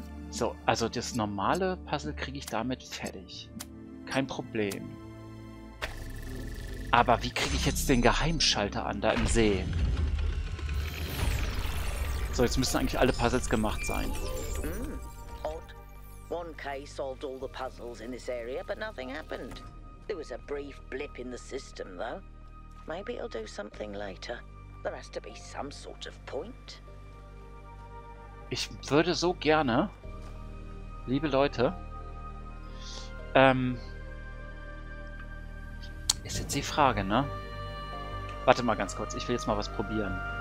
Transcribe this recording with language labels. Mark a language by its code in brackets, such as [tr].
[de] So, also das normale Puzzle kriege ich damit fertig. Kein Problem. Aber wie kriege ich jetzt den Geheimschalter an, da im See? So, jetzt müssen eigentlich alle Puzzles gemacht sein. [en] One case solved all the puzzles in this area, but nothing happened. There was a brief blip in the system, though. Maybe it'll do something later. There has to be some sort of point. [de] Ich würde so gerne, liebe Leute, ist jetzt die Frage, ne? Warte mal ganz kurz, ich will jetzt mal was probieren.